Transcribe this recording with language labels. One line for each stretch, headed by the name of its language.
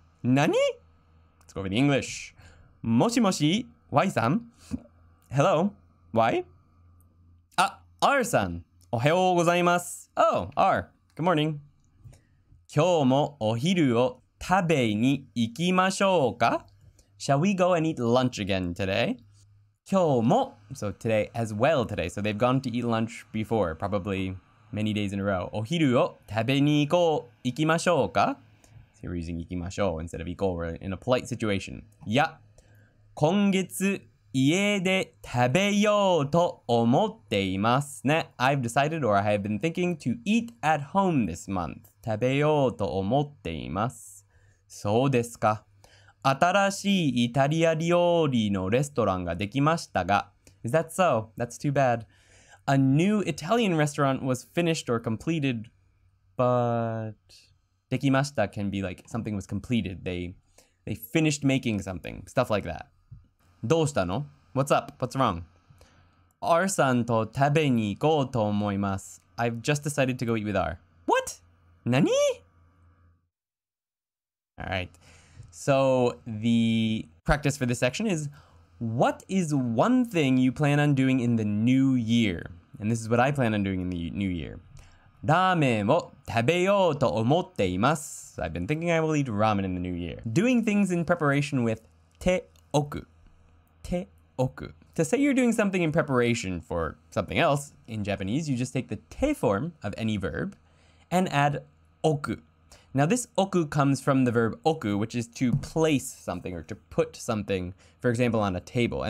Japanese: 何？
English: Let's go with the English。
Japanese: もしもし、Y さん。
English: Hello, Y?
Japanese: あ、R さん。おはようございます。
English: Oh, R. Good morning.
Japanese: 今日もお昼を食べに行きましょうか？
English: Shall we go and eat lunch again today?
Japanese: 今日も
English: So today as well today. So they've gone to eat lunch before, probably many days in a row.
Japanese: お昼を食べに行こう、行きましょうか？
English: So you're using 行きましょう instead of 行こう.We're in a polite situation.
Japanese: いや、今月家で食べようと思っていますね。
English: I've decided or I have been thinking to eat at home this month.
Japanese: 食べようと思っています。そうですか。新しいイタリア料理のレストランができましたが。
English: Is that so? That's too bad. A new Italian restaurant was finished or completed, but... できました can be like something was completed. They finished making something. Stuff like that.
Japanese: どうしたの?
English: What's up? What's wrong?
Japanese: R さんと食べに行こうと思います。
English: I've just decided to go eat with R. What?
Japanese: 何?
English: Alright. So, the practice for this section is, what is one thing you plan on doing in the new year? And this is what I plan on doing in the new year.
Japanese: ラーメンを食べようと思っています。
English: I've been thinking I will eat ramen in the new year. Doing things in preparation with ておく。 Teoku. To say you're doing something in preparation for something else, in Japanese, you just take the te form of any verb and add oku. Now, this oku comes from the verb oku, which is to place something or to put something, for example, on a table.